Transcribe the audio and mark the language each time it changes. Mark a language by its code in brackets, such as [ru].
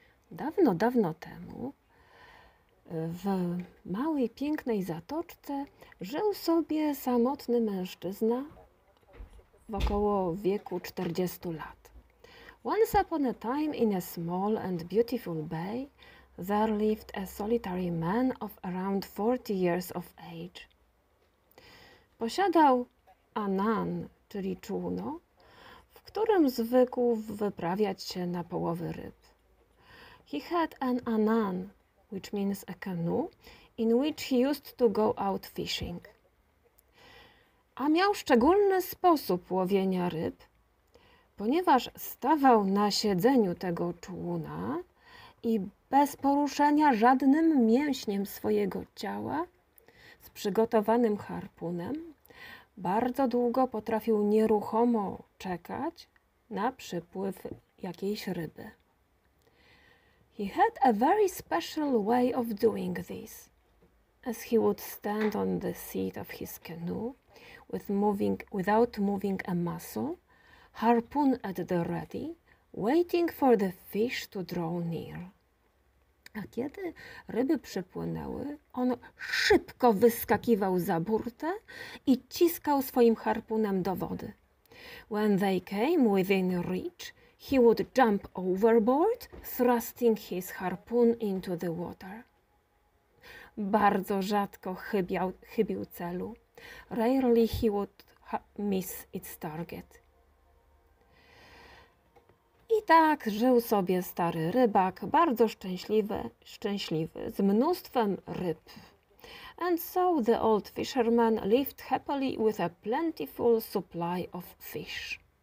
[pl] Dawno, dawno temu w małej, pięknej zatoczce żył sobie samotny mężczyzna w około wieku 40 lat. [en] Once upon a time in a small and beautiful bay, there lived a solitary man of around 40 years of age. [pl] Posiadał anan, czyli czółno, w którym zwykł wyprawiać się na połowy ryb. [en] He had an anan, which means a canoe, in which he used to go out fishing. [pl] A miał szczególny sposób łowienia ryb, ponieważ stawał na siedzeniu tego czółna i bez poruszenia żadnym mięśniem swojego ciała, z przygotowanym harpunem, bardzo długo potrafił nieruchomo czekać na przypływ jakiejś ryby. [en] He had a very special way of doing this, as he would stand on the seat of his canoe without moving a muscle, harpoon at the ready, waiting for the fish to draw near. [pl] A kiedy ryby przypłynęły, on szybko wyskakiwał za burtę i ciskał swoim harpunem do wody. [en] When they came within reach, he would jump overboard, thrusting his harpoon into the water. [pl] Bardzo rzadko chybił celu. [en] Rarely he would miss its target. [pl] I tak żył sobie stary rybak, bardzo szczęśliwy, z mnóstwem ryb. [en] And so the old fisherman lived happily with a plentiful supply of fish.